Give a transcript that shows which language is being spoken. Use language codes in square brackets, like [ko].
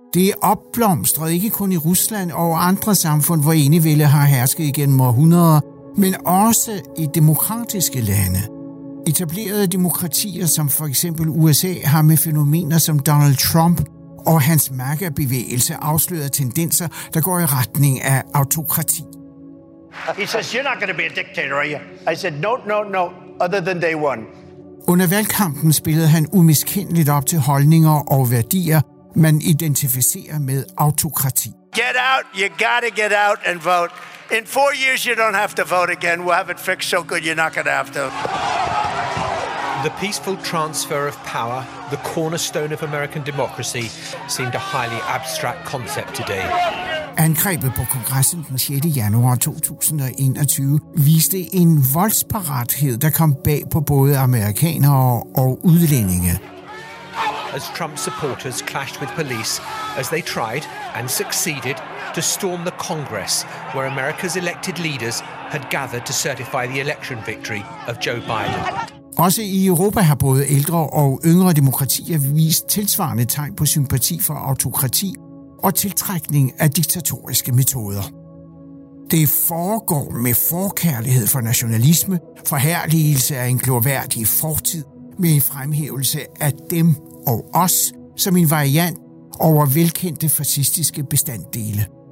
[da] Det er opblomstret ikke kun i Rusland og andre samfund, hvor enevælde har hersket igennem århundreder, men også i demokratiske lande. Etablerede demokratier som for eksempel USA har med fænomener som Donald Trump og hans MAGA-bevægelse afsløret tendenser, der går i retning af autokratiet. [en] He says, you're not going to be a dictator, are you? I said, no, no, no, other than day one. [da] Under valgkampen spillede han umiskendeligt op til holdninger og værdier, man identificerer med autokrati. [en] Get out, you gotta get out and vote. In 4 years you don't have to vote again. We'll have it fixed so good you're not gonna have to. The peaceful transfer of power, the cornerstone of American democracy, seemed a highly abstract concept today. [da] Angrebet på kongressen den 6. januar 2021 viste en voldsparathed, der kom bag på både amerikanere og udlændinge. [en] As Trump supporters clashed with police as they tried and succeeded to storm the Congress where America's elected leaders had gathered to certify the election victory of Joe Biden. [da] Også i Europa har både ældre og yngre demokratier vist tilsvarende tegn på sympati for autokrati og tiltrækning af diktatoriske metoder. Det foregår med forkærlighed for nationalisme, forherligelse af en glorværdig fortid, med fremhævelse af dem og os som en variant over velkendte fascistiske bestanddele.